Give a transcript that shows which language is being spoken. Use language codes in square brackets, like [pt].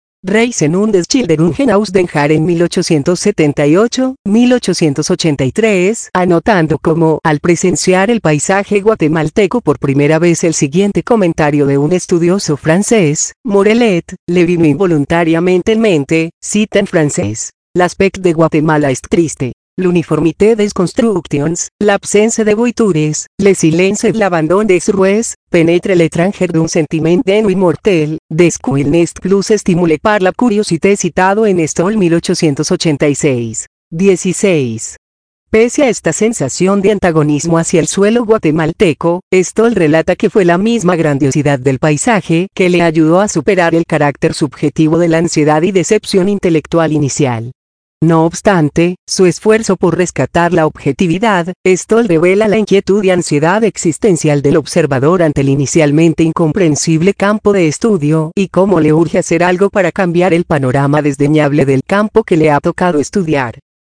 [es] Reisen und Schilderungen aus den Jahren 1878-1883, anotando como, al presenciar el paisaje guatemalteco por primera vez, el siguiente comentario de un estudioso francés, Morellet, le vino involuntariamente en mente, cita en francés: [fr] "L'aspect de Guatemala est triste. L'uniformité des constructions, l'absence de voitures, le silence et l'abandon des rues, pénètre l'étranger d'un sentiment d'ennui mortel, des quels n'est plus stimulé par la curiosité [es] citado en Stoll 1886. 16. Pese a esta sensación de antagonismo hacia el suelo guatemalteco, Stoll relata que fue la misma grandiosidad del paisaje que le ayudó a superar el carácter subjetivo de la ansiedad y decepción intelectual inicial. No obstante, su esfuerzo por rescatar la objetividad, Stoll revela la inquietud y ansiedad existencial del observador ante el inicialmente incomprensible campo de estudio y cómo le urge hacer algo para cambiar el panorama desdeñable del campo que le ha tocado estudiar.